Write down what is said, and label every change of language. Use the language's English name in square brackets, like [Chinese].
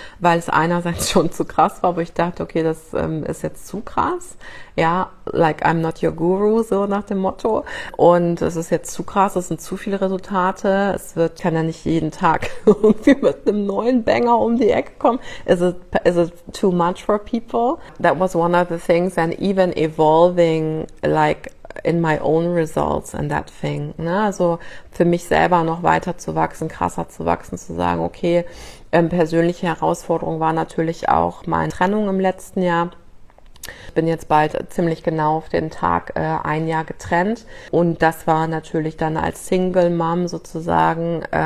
[German] Weil es einerseits schon zu krass war, wo ich dachte, okay, das ist jetzt zu krass. Ja, [English] like I'm not your guru, [German] so nach dem Motto. Und es ist jetzt zu krass, es sind zu viele Resultate. Kann ja nicht jeden Tag irgendwie mit einem neuen Banger um die Ecke kommen. [English] Is it too much for people? That was one of the things, and even evolving like in my own results and that thing. [German] Ne? Also für mich selber noch weiter zu wachsen, krasser zu wachsen, zu sagen, okay, persönliche Herausforderung war natürlich auch meine Trennung im letzten Jahr. Ich bin jetzt bald ziemlich genau auf den Tag ein Jahr getrennt und das war natürlich dann als Single Mom sozusagen,